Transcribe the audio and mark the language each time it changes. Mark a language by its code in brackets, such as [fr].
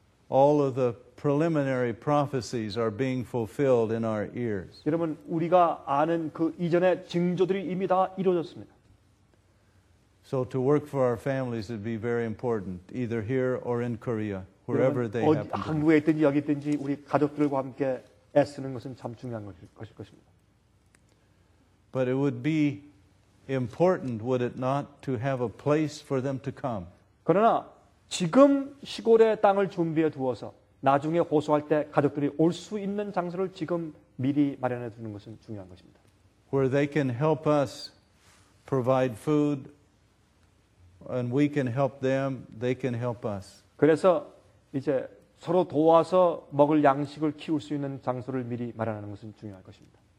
[en] All of the preliminary prophecies are being fulfilled in our ears. [ko] 여러분 우리가 아는 그 이전의 징조들이 이미 다 이루어졌습니다. [en] So to work for our families would be very important, either here or in Korea, wherever they happen. [ko] 한국에 있든지 여기 있든지 우리 가족들과 함께 애쓰는 것은 참 중요한 것일 것입니다. [en] But it would be important, would it not, to have a place for them to come? [ko] 그러나 지금 시골의 땅을 준비해 두어서 나중에 호소할 때 가족들이 올 수 있는 장소를 지금 미리 마련해 두는 것은 중요한 것입니다. [en] Where they can help us provide food and we can help them, they can help us. [ko] 그래서 이제 서로 도와서 먹을 양식을 키울 수 있는 장소를 미리 마련하는 것은 중요할 것입니다.